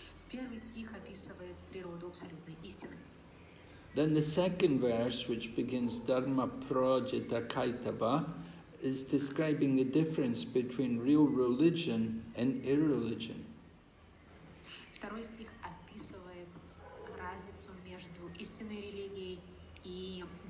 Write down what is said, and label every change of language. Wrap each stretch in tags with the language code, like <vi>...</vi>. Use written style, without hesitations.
<ru>Первый стих описывает природу абсолютной истины.</ru> <en>Then the second verse, which begins Dharma Prajita Kaitava, is describing the difference between real religion and irreligion.</en> <ru>Второй стих описывает разницу между истинной религией и</ru>